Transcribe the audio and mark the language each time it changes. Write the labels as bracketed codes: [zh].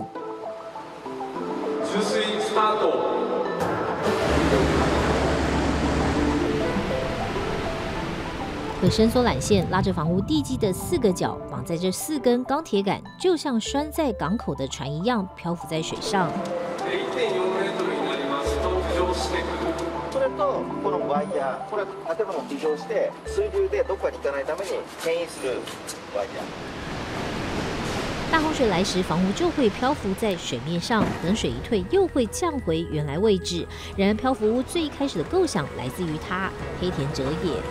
[ja] 止水スタート。 [zh] 可伸缩缆线拉着房屋地基的4个角，绑在这4根钢铁杆，就像拴在港口的船一样漂浮在水上。 [ja] それとこのワイヤー、これ建物を浮上して水流でどこかに行かないために牽引するワイヤー。 [zh] 大洪水来时，房屋就会漂浮在水面上，等水一退又会降回原来位置。然而漂浮屋最开始的构想来自于他，黑田哲也。